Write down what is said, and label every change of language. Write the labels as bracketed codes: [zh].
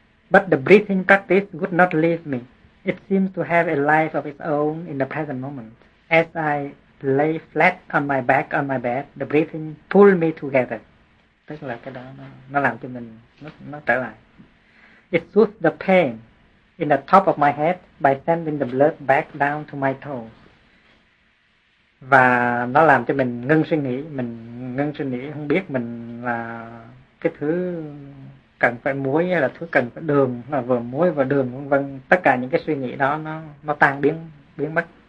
[en] But the breathing practice would not leave me. It seems to have a life of its own in the present moment. As I lay flat on my back on my bed, the breathing pulled me together. [vi] Tức là cái đó nó làm cho mình nó trở lại. [en] It soothed the pain in the top of my head by sending the blood back down to my toes. [vi] Và nó làm cho mình ngưng suy nghĩ, không biết mình là cái thứ cần phải muối hay là thứ cần phải đường, là vừa muối vừa đường vân vân. Tất cả những cái suy nghĩ đó nó tan biến biến mất.